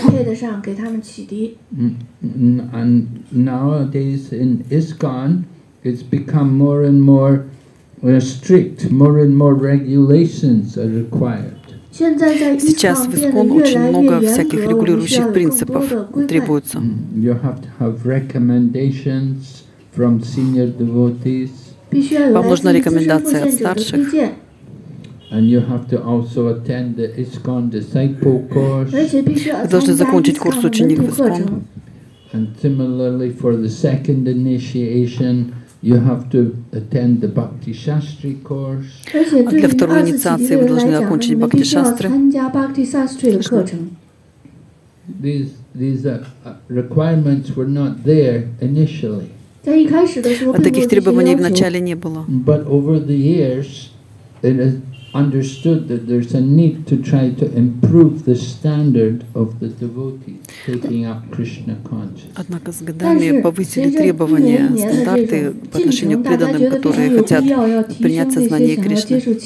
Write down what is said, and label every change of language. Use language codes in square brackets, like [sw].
[en] And nowadays in ISKCON, it's become more and more strict, more and more regulations are required. [ru] Сейчас в ИСКОН очень много всяких регулирующих принципов требуется. [en] You have to have recommendations from senior devotees. [ru] Вам нужна рекомендация от старших. [en] And you have to also attend the ISKCON disciple course. [ru] Вы должны закончить курс ученик в ИСКОН. [en] And similarly for the second initiation, you have to attend the Bhakti Shastri course. [ru] А для второй инициации вы должны окончить Бхакти Шастры. [en] These requirements were not there initially. [ru] А таких требований вначале не было. [en] But over the years, it is understood that there's a need to try to improve the standard of the devotee taking up Krishna consciousness. [ru] Однако с годами повысили требования, стандарты по отношению к преданным, которые хотят принять сознание Кришны.